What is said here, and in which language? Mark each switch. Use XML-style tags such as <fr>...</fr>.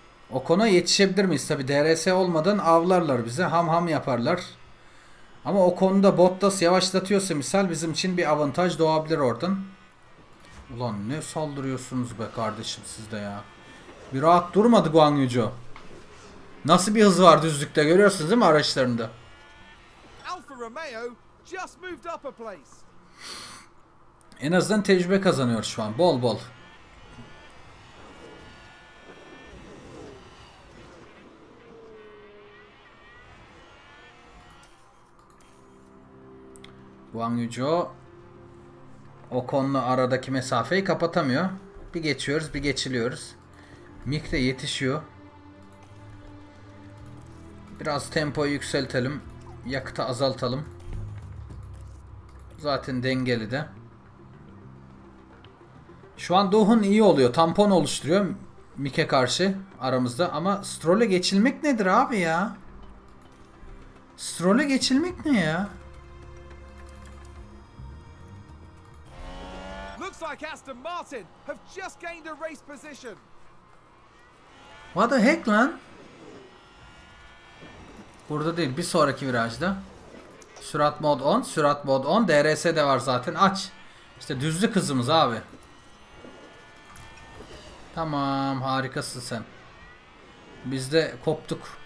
<tr>O konu yetişebilir miyiz? Tabi DRS olmadan avlarlar bize. Ham ham yaparlar. Ama o konuda Bottas yavaşlatıyorsa misal bizim için bir avantaj doğabilir oradan. Ulan ne saldırıyorsunuz be kardeşim siz de ya. Bir rahat durmadı Guan Yucao. Nasıl bir hız var düzlükte görüyorsunuz değil mi araçlarında?</tr> <en>Alfa Romeo just moved up a place.</en> <tr>En azından tecrübe kazanıyor şu an. Bol bol. Guan Yucao o konu aradaki mesafeyi kapatamıyor. Bir geçiyoruz, bir geçiliyoruz. Mik de yetişiyor. Biraz tempoyu yükseltelim. Yakıtı azaltalım. Zaten dengeli de. Şu an Doohan iyi oluyor. Tampon oluşturuyor Mik'e karşı aramızda. Ama Stroll'e geçilmek nedir abi ya? Stroll'e geçilmek ne ya?</tr> <en>Aston Martin have just gained a race position. What the heck lan?</en> <tr>Burada değil, bir sonraki virajda. Sürat mod on, sürat mod on. DRS de var zaten. Aç. İşte düzlük hızımız abi. Tamam, harikasın sen. Biz de koptuk.</tr>